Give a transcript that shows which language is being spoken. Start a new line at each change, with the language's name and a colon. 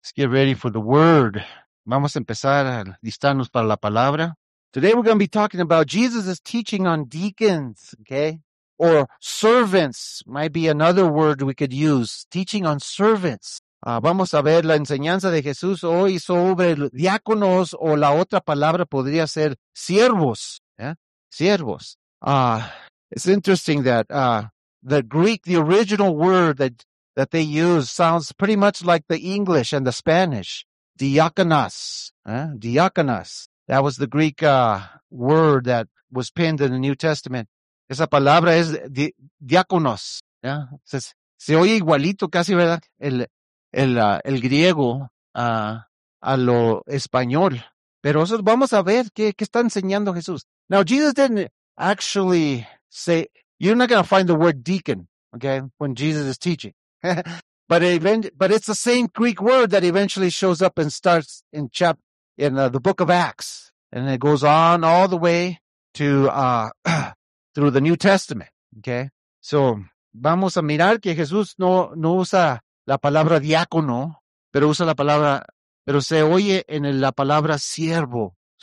English: Let's get ready for the word.
Spanish: Vamos a empezar a listarnos para la palabra.
English: Today we're going to be talking about Jesus' teaching on deacons, okay? Or servants might be another word we could use. Teaching on servants.
Spanish: Vamos a ver la enseñanza de Jesús hoy sobre diáconos, o la otra palabra podría ser siervos.
English: Yeah?
Spanish: Siervos.
English: It's interesting that the Greek, the original word that they use sounds pretty much like the English and the Spanish. Diakonos. Diakonos. That was the Greek word that was penned in the New Testament.
Spanish: Esa palabra es diáconos.
English: Yeah?
Spanish: Se oye igualito casi, ¿verdad? El griego a lo español. Pero eso, vamos a ver qué está enseñando Jesús.
English: Now, Jesus didn't actually say, you're not going to find the word deacon, okay, when Jesus is teaching. but it's the same Greek word that eventually shows up and starts in the book of Acts. And it goes on all the way to through the New Testament, okay? So,
Spanish: vamos a mirar que Jesús no usa la palabra diácono, pero usa la palabra, pero se oye en la palabra siervo.